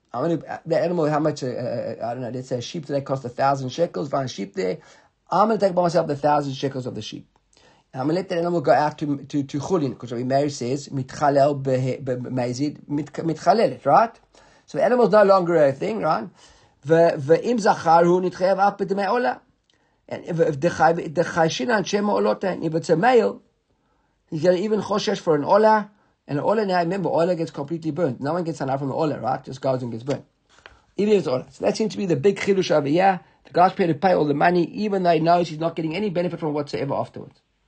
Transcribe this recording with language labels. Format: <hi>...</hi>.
<en>I'm going to, that animal, how much, I don't know, let's say a sheep today cost 1,000 shekels. Find a sheep there. I'm going to take by myself 1,000 shekels of the sheep. And I'm going to let that animal go out to chulin. Because Rabbi Meir says, mitchalel b'meizid, mitchalel it, right? So the animal's no longer a thing, right?</en> <he>ואם זכר הוא נתחייב אף בדמי עולה. ודחיישינן שם עולותה. אם זה מייל,</he> <en>he's going to even חושש for an עולה. And an עולה, now remember, עולה gets completely burnt. No one gets an hour from the עולה, right? Just goes and gets burnt. Even if it's עולה. So that seems to be the big חידוש over here. The guy's prepared to pay all the money, even though he knows he's not getting any benefit from whatsoever afterwards.</en>